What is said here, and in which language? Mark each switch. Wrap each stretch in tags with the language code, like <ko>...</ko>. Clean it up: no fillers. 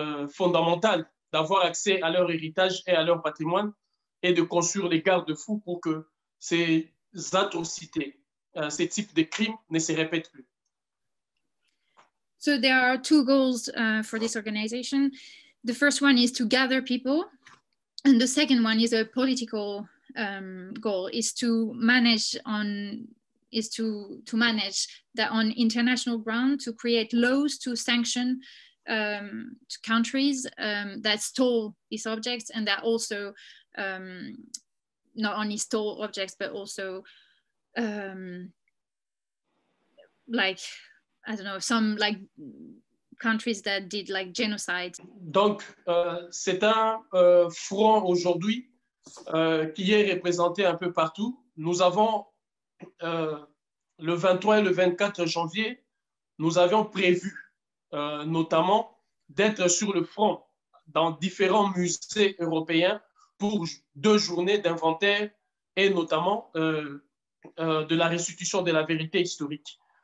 <fr>fondamental d'avoir accès à leur héritage et à leur patrimoine et de construire les garde-fous pour que ces atrocités, ces types de crimes ne se répètent plus.</fr> <en>So there are two goals for this organization. The first one is to gather people, and the second one is a political goal, is to manage that on international ground to create laws to sanction to countries that stole these objects and that also not only stole objects but also like I don't know, some like countries that did like genocide.</en> <fr>Donc, c'est un front aujourd'hui qui est représenté un peu partout. Nous avons le 23 et le 24 janvier, nous avions prévu notamment d'être sur le front dans différents musées européens pour deux journées d'inventaire et notamment de la restitution de la vérité historique.</fr>